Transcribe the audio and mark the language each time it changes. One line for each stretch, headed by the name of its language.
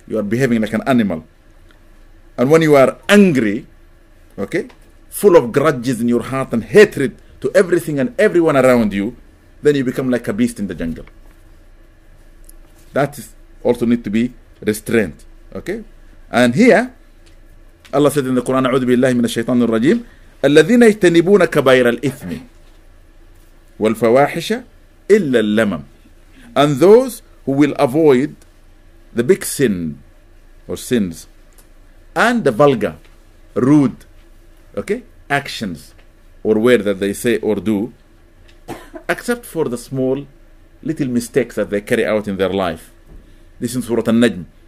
English: You are behaving like an animal. And when you are angry, okay, full of grudges in your heart and hatred to everything and everyone around you, then you become like a beast in the jungle. That is also need to be restrained, okay? And here, Allah said in the Quran,
Arabic: أعوذ بالله من الشيطان الرجيم, الذين يجتنبون كبائر الإثم والفواحش إلا اللمم.
English: And those who will avoid the big sin or sins and the vulgar, rude, okay, actions or words that they say or do, except for the small little mistakes that they carry out in their life. This is Surah An-Najm.